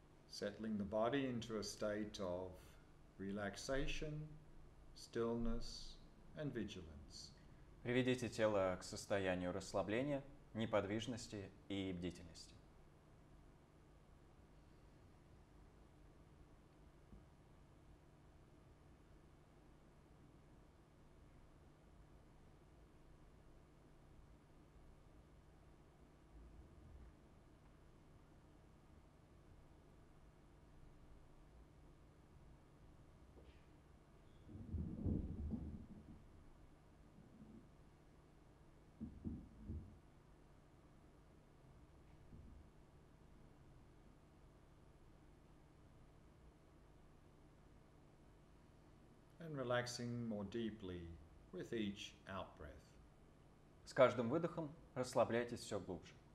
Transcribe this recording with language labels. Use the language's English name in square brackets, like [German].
[English] Settling the body into a state of relaxation, stillness, and vigilance. [Russian] Приведите тело к состоянию расслабления, неподвижности и бдительности. [English] Relaxing more deeply with each out-breath. [Russian] С каждым выдохом расслабляйтесь все глубже.